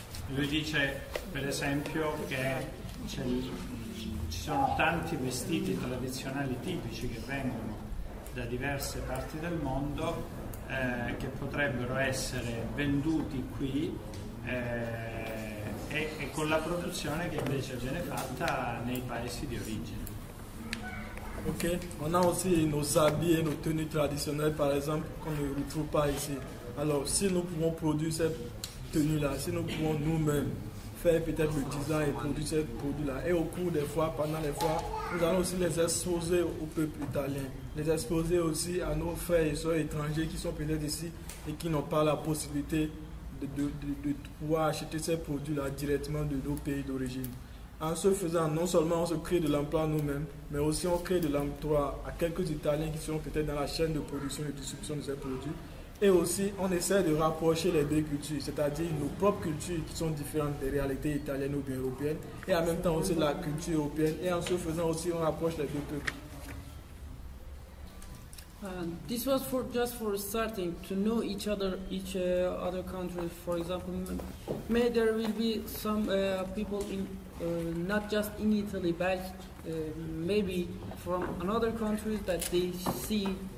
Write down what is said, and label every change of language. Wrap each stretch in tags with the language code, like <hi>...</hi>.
<it>Lui dice per esempio che ci sono tanti vestiti tradizionali tipici che vengono da diverse parti del mondo che potrebbero essere venduti qui e con la produzione che invece viene fatta nei paesi di origine.</it> <fr>Ok, on a aussi nos habits et nos tenues traditionnelles par exemple qu'on ne retrouve pas ici. Alors, si nous pouvons produire cette tenue-là, si nous pouvons nous-mêmes faire peut-être le design et produire ce produit-là, et au cours des fois, pendant les fois, nous allons aussi les exposer au peuple italien, les exposer aussi à nos frères et soeurs étrangers qui sont peut-être ici et qui n'ont pas la possibilité de pouvoir acheter ces produits-là directement de nos pays d'origine. En ce faisant, non seulement on se crée de l'emploi nous-mêmes, mais aussi on crée de l'emploi à quelques Italiens qui sont peut-être dans la chaîne de production et de distribution de ces produits. Et aussi, on essaie de rapprocher les deux cultures, c'est-à-dire nos propres cultures qui sont différentes des réalités italiennes ou bien européennes, et en même temps aussi la culture européenne. Et en se faisant aussi, on rapproche les deux peuples.</fr> <en>This was for just for starting to know each other countries. For example, may there will be some people in not just in Italy, but maybe from another country that they see.</en>